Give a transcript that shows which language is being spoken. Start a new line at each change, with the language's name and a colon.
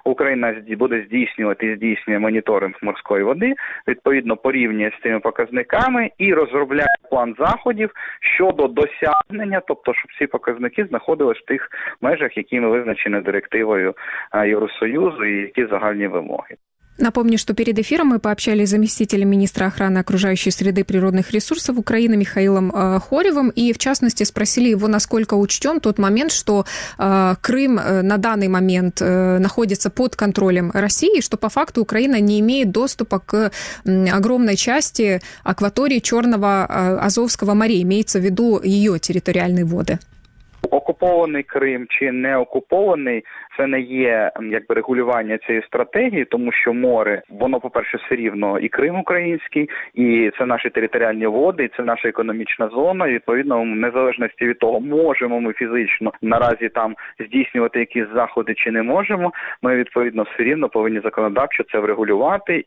Ukrainian: Україна буде здійснювати і здійснює моніторинг морської води, відповідно, порівнює з цими показниками і розробляє план заходів щодо досягнення, тобто, щоб ці показники знаходились в тих межах, які ми визначені директивою Євросоюзу і які загальні вимоги.
Russian: Напомню, что перед эфиром мы пообщались с заместителем министра охраны окружающей среды и природных ресурсов Украины Михаилом Хоревым и, в частности, спросили его, насколько учтен тот момент, что Крым на данный момент находится под контролем России, что по факту Украина не имеет доступа к огромной части акватории Черного Азовского моря, имеется в виду ее территориальные воды.
Ukrainian: Окупований Крим чи не окупований, це не є якби регулювання цієї стратегії, тому що море, воно, по-перше, все рівно і Крим український, і це наші територіальні води, і це наша економічна зона. І, відповідно, в незалежності від того, можемо ми фізично наразі там здійснювати якісь заходи чи не можемо, ми, відповідно, все рівно повинні законодавчо це врегулювати.